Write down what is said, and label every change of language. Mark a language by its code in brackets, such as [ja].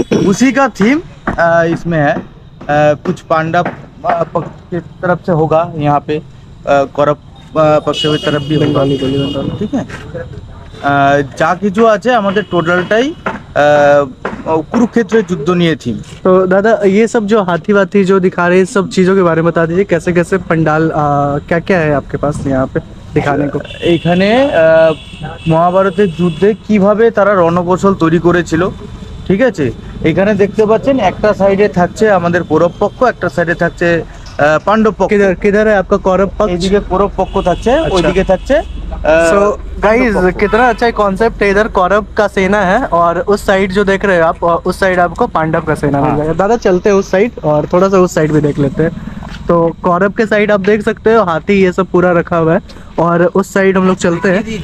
[hi] उसी का थीम इसमें है। कुछ पांडव पक्ष के तरफ से होगा, यहाँ पे कौरव पक्ष की तरफ भी होगा, ठीक है। जा कि जो आज है हमारे टोटलटाई कुरुक्षेत्र युद्ध नहीं थी। तो दादा, ये सब जो हाथी वाथी जो दिखा रहे हैं, सब चीज़ों के बारे में बता दीजिए, कैसे कैसे पंडाल, क्या क्या है आपके पास यहाँ पे दिखाने को? [bn] এখানে মহাভারতের যুদ্ধে কিভাবে তারা রণকৌশল তৈরি করেছিল, ঠিক আছে। এখানে দেখতে পাচ্ছেন একটা সাইডে থাকছে আমাদের কৌরব পক্ষ, একটা সাইডে থাকছে পাণ্ডব পক্ষ। কিধারে আপনার কৌরব পক্ষ? এদিকে কৌরব পক্ষ থাকছে, ওইদিকে থাকছে। [hi] सो गाइस, कितना अच्छा है कॉन्सेप्ट। इधर कौरव का सेना है और उस साइड जो देख रहे हो आप, उस साइड आपको पांडव का सेना मिल जाएगा। दादा चलते हैं उस साइड और थोड़ा सा उस साइड भी देख लेते हैं। तो कौरव के साइड आप देख सकते हो हाथी ये सब पूरा रखा हुआ है, और उस साइड हम लोग चलते हैं।